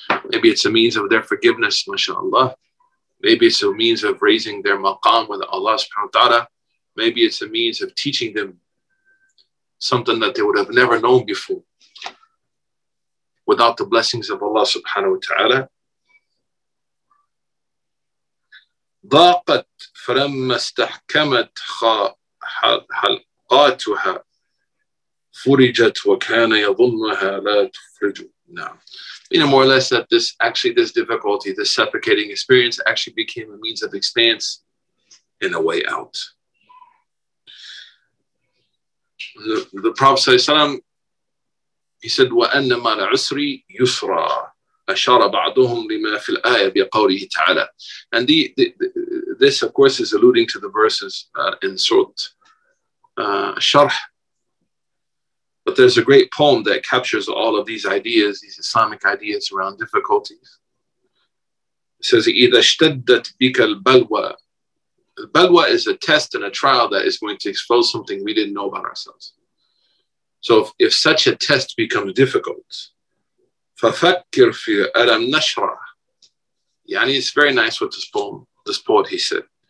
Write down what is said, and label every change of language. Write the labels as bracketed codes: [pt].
[en] Maybe it's a means of their forgiveness, mashallah. Maybe it's a means of raising their maqam with Allah subhanahu wa ta'ala. Maybe it's a means of teaching them something that they would have never known before without the blessings of Allah subhanahu wa ta'ala. [ar] ضاقت فلما استحكمت حلقاتها فرجت وكان يظنها لا تفرج. نعم. [en] You know, more or less that this difficulty, this suffocating experience actually became a means of expanse and a way out. The Prophet, he said, [ar] وَأَنَّ مَا الْعُسْرِ يُسْرًا, أشار بعضهم لما في الآية بقوله تعالى. [en] And this of course is alluding to the verses in Surah Sharh. But there's a great poem that captures all of these ideas, these Islamic ideas around difficulties. [ar] It says, إذا اشتدت بك البلوى. [en] البلوى is a test and a trial that is going to expose something we didn't know about ourselves. So if such a test becomes difficult, [ar] فَفَكِّرْ فِي أَلَمْ نَشْرَحْ. [en] يعني it's very nice with this poem, this poet, he said.